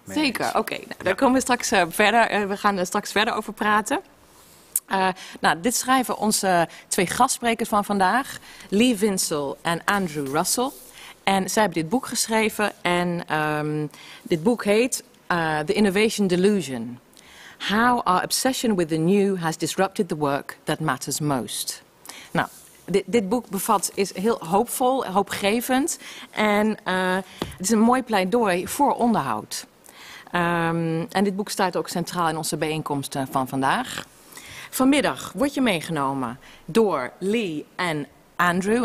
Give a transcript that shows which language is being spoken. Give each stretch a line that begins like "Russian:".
Dutch: Zeker, oké. Okay. Nou, daar komen we straks verder. We gaan er straks verder over praten. Dit schrijven onze twee gastsprekers van vandaag, Lee Vinsel en Andrew Russell. En zij hebben dit boek geschreven en dit boek heet The Innovation Delusion.
English: How our obsession with the new has disrupted the work that matters most.
Dutch: Nou, dit boek is heel hoopvol, hoopgevend en het is een mooi pleidooi voor onderhoud. En dit boek staat ook centraal in onze bijeenkomsten van vandaag. Vanmiddag word je meegenomen door Lee en Andrew.